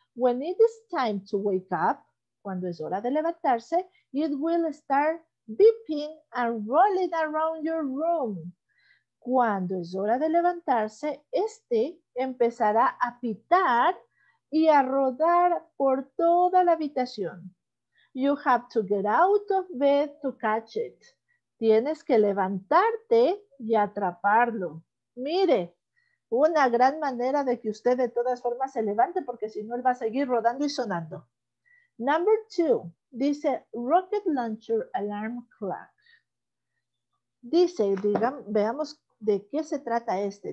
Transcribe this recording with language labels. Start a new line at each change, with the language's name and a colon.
English: When it is time to wake up,
Spanish: cuando es hora de levantarse,
English: it will start beeping and rolling around your room.
Spanish: Cuando es hora de levantarse, este empezará a pitar y a rodar por toda la habitación.
English: You have to get out of bed to catch it.
Spanish: Tienes que levantarte y atraparlo. Mire, una gran manera de que usted de todas formas se levante, porque si no, él va a seguir rodando y sonando.
English: Number two, dice Rocket Launcher Alarm Clock.
Spanish: Dice, digamos, veamos de qué se trata este.